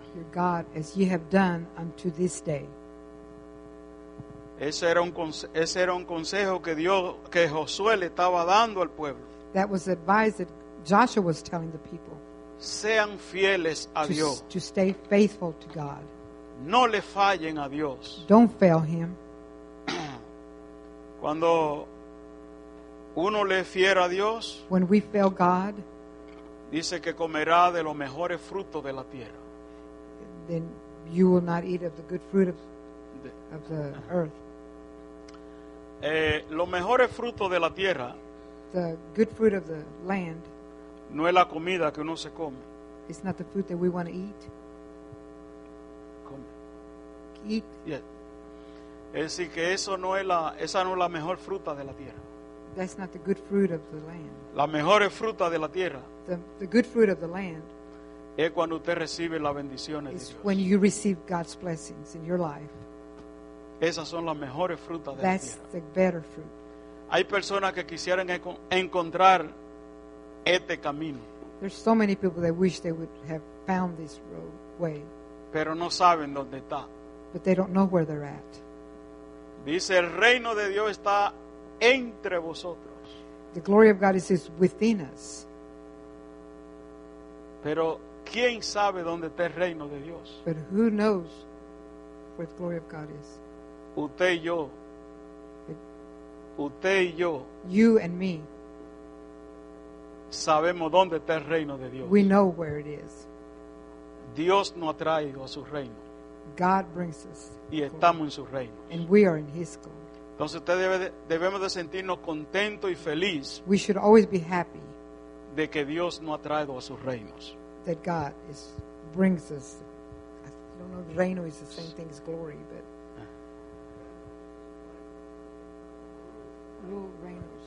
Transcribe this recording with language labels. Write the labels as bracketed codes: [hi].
[en] Your God, as ye have done unto this day. [es] Ese era un consejo que Dios, que Josué le estaba dando al pueblo. [en] That was the advice that Joshua was telling the people. [es] Sean fieles a Dios. [en] To stay faithful to God. [es] No le fallen a Dios. [en] Don't fail him. [es] Cuando uno le fiel a Dios, [en] when we fail God, [es] dice que comerá de los mejores frutos de la tierra. [en] Then you will not eat of the good fruit of the earth. [es] Los mejores frutos de la tierra, [en] the good fruit of the land, [es] no es la comida que uno se come. [en] It's not the food that we want to eat. Yeah. [es] Es decir que eso no es la, esa no es la mejor fruta de la tierra. [en] That's not the good fruit of the land. [es] La mejor fruta de la tierra. [en] The good fruit of the land. [es] Es cuando usted recibe las bendiciones de Dios. [en] When you receive God's blessings in your life. [es] Esas son las mejores frutas de [en] That's [es] la tierra. [en] That's the better fruit. [es] Hay personas que quisieran encontrar este camino. [en] There's so many people that wish they would have found this road, way. [es] Pero no saben dónde está. [en] But they don't know where they're at. [es] Dice, el reino de Dios está entre vosotros. [en] The glory of God is within us. [es] Pero ¿quién sabe dónde está el reino de Dios? [en] But who knows where the glory of God is? [es] Usted y yo. Usted y yo. [en] You and me. [es] Sabemos dónde está el reino de Dios. [en] We know where it is. [es] Dios nos ha traído a su reino. [en] God brings us. [es] Y estamos en su reino. [en] And we are in his glory. [es] Entonces usted debe debemos de sentirnos contento y feliz. [en] We should always be happy. [es] De que Dios nos ha traído a sus reinos. [en] That God is brings us. I don't know if reino is the same thing as glory, but rule reinos.